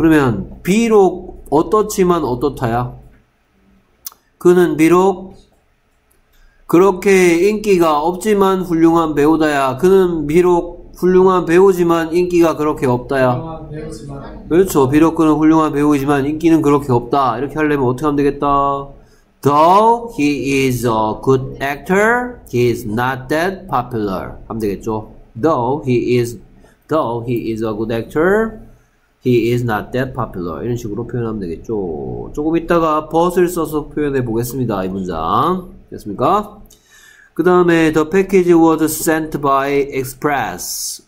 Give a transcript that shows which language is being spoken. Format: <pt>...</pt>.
<ko>그러면 비록 어떻지만 어떻다야? 그는 비록 그렇게 인기가 없지만 훌륭한 배우다야. 그는 비록 훌륭한 배우지만 인기가 그렇게 없다야. 그렇죠. 비록 그는 훌륭한 배우지만 인기는 그렇게 없다. 이렇게 하려면 어떻게 하면 되겠다?</ko> <en>Though he is a good actor, he is not that popular.</en> <ko>하면 되겠죠.</ko> <en>Though he is a good actor, he is not that popular.</en> <ko>이런 식으로 표현하면 되겠죠. 조금 이따가 but을 써서 표현해 보겠습니다. 이 문장. 됐습니까? 그 다음에</ko> <en>the package was sent by express.</en>